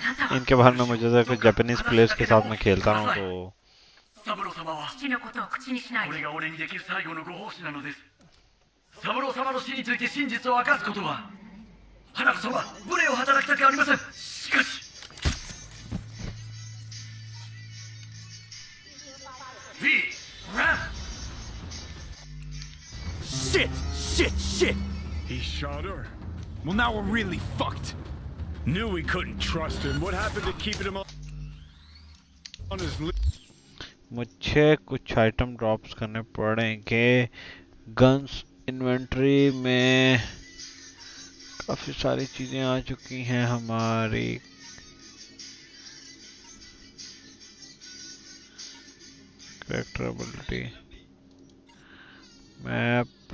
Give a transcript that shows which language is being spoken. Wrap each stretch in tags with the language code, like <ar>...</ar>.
<hi>इनके बारे में मुझे जब Japanese players के साथ में खेलता हूँ तो।</hi> <ja>サブロ様は。父のことを口にしない。俺が俺にできる最後のご奉仕なのです。サブロ様の死について真実を明かすことは。花子様、無礼を働きたくありません。しかし、V、Ram、</ja> <en>Shit、Shit、Shit。 He shot her。 Well, now we're really fucked。 Knew we couldn't trust him. What happened to keeping him on his leash?</en> <hi>मुझे कुछ आइटम ड्रॉप्स करने पड़ेंगे गन्स इन्वेंटरी में काफी सारी चीजें आ चुकी हैं हमारी करेक्टर एबिलिटी मैप</hi>